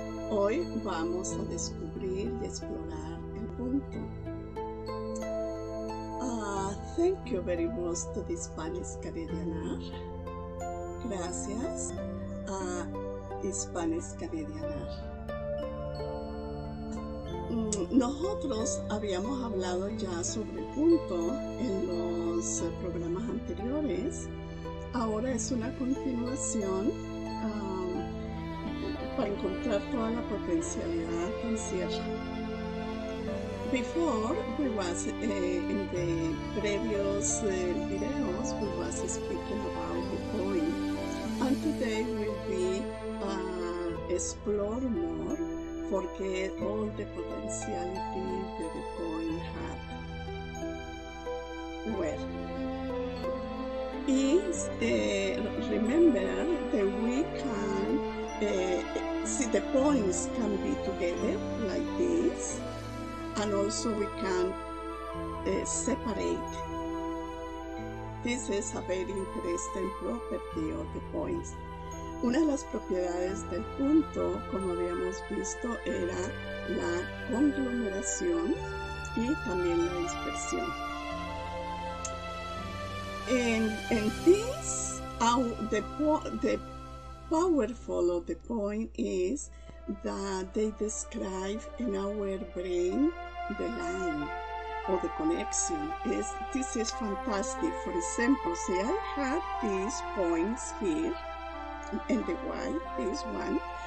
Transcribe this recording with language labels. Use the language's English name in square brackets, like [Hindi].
[Spanish] Hoy vamos a descubrir y explorar el punto. [English] Thank you very much to the Spanish Canadian R. [Spanish] Gracias a Spanish Canadian R. Nosotros habíamos hablado ya sobre el punto en los programas anteriores. Ahora es una continuación para encontrar toda la potencialidad que encierra. [English] Before, we was in the previous videos, we was speaking about the point. And today we'll be explore more forget all the potentiality that the point had. Well, is remember that we can see the points can be together like this, and also we can separate. This is a very interesting property of the points. [Spanish] Una de las propiedades del punto, como habíamos visto, era la conglomeración y también la dispersión. [English] And this, the powerful of the point is that they describe in our brain the line or the connection. This is fantastic. For example, see, I have these points here and the Y, this one.